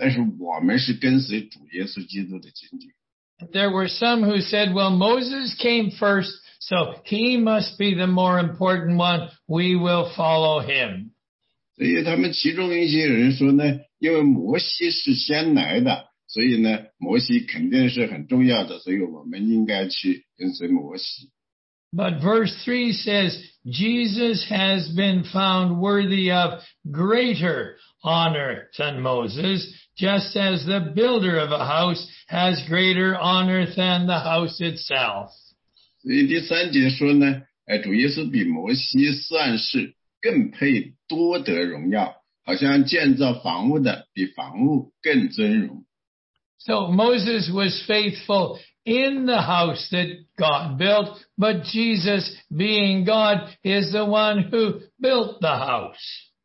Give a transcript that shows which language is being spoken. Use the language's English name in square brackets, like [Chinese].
[Chinese] 所以这个原则呢,就是在旧约里呢,有很多伟大的那些人属神的人,但是我们可以从他们那里学到很多东西,但是我们是跟随主耶稣基督的经历。 [English] There were some who said, well, Moses came first, so he must be the more important one. We will follow him. [Chinese] 所以他们其中一些人说呢,因为摩西是先来的,所以呢,摩西肯定是很重要的,所以我们应该去跟随摩西。 [English] But verse 3 says, Jesus has been found worthy of greater honor than Moses, just as the builder of a house has greater honor than the house itself. [Chinese] 所以第三节说呢,主耶稣比摩西算是更配多得荣耀,好像建造房屋的比房屋更尊荣。 [English] So Moses was faithful in the house that God built, but Jesus, being God, is the one who built the house.